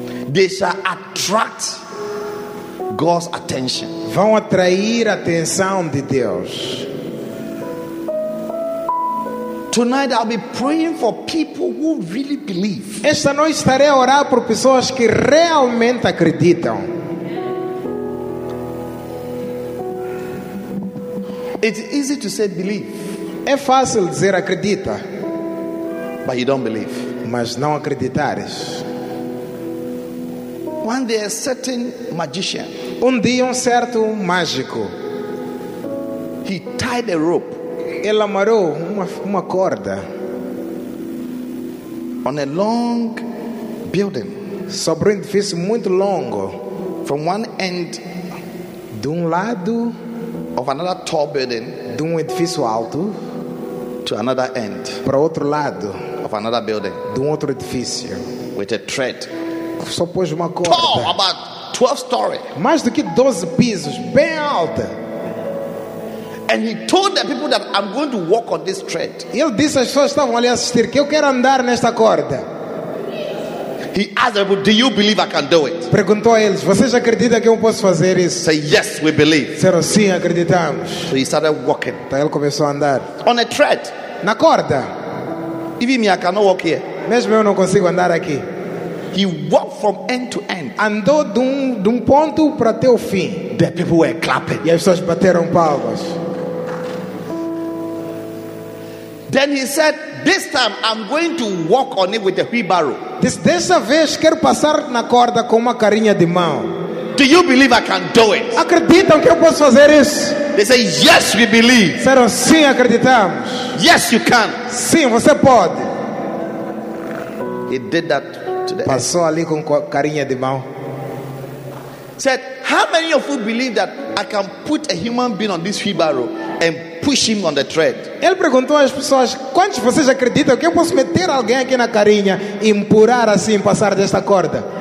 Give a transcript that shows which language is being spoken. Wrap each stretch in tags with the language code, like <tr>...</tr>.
<en>They shall attract God's attention.</en> <pt>Vão atrair a atenção de Deus.</pt> <en>Tonight I'll be praying for people who really believe.</en> <pt>Esta noite estarei a orar por pessoas que realmente acreditam.</pt> <en>It's easy to say believe.</en> <pt>É fácil dizer acredita.</pt> <en>But you don't believe.</en> <pt>Mas não acreditares.</pt> <en>One day a certain magician.</en> <pt>Um dia certo mágico.</pt> <en>He tied a rope.</en> <pt>Ele amarrou uma corda.</pt> <en>On a long building.</en> <pt>Sobre um edifício muito longo.</pt> <en>From one end.</en> <pt>De lado.</pt> <en>Of another tall building.</en> <pt>De edifício alto.</pt> <en>To another end.</en> <pt>Para outro lado.</pt> <en>Of another building.</en> <pt>De outro edifício.</pt> <en>With a thread.</en> <pt>Só pôs uma corda.</pt> <en>Tall, about 12 story.</en> <pt>Mais do que 12 pisos, bem alta.</pt> <en>And he told the people that I'm going to walk on this thread.</en> <pt>Ele disse às pessoas que estavam ali a assistir que eu quero andar nesta corda.</pt> <en>He asked them, "Do you believe I can do it?"</en> <pt>Perguntou a eles, vocês acreditam que eu posso fazer isso?</pt> <en>Say, "Yes, we believe."</en> <pt>Disseram, sim, acreditamos.</pt> <en>So he started walking.</en> <pt>Então ele começou a andar.</pt> <en>On a thread.</en> <pt>Na corda.</pt> <en>Even me, I cannot walk here.</en> <pt>Mesmo eu não consigo andar aqui.</pt> <en>He walked from end to end.</en> <pt>Andou de um ponto para até o fim.</pt> <en>The people were clapping.</en> <pt>E as pessoas bateram palmas.</pt> <en>Then he said, "This time I'm going to walk on it with a wheelbarrow."</en> <pt>Dessa vez quero passar na corda com uma carinha de mão.</pt> <en>Do you believe I can do it?</en> <pt>Acreditam que eu posso fazer isso?</pt> <en>They say, "Yes, we believe."</en> <pt>Disseram, sim, acreditamos.</pt> <en>Yes, you can.</en> <pt>Sim, você pode.</pt> <en>He did that.</en> <pt>Passou ali com carinha de mão.</pt> <en>Said, "How many of you believe that I can put a human being on this wheelbarrow and push him on the thread?"</en> <pt>Ele perguntou às pessoas, quantos de vocês acreditam que eu posso meter alguém aqui na carinha e empurrar assim, passar desta corda?</pt>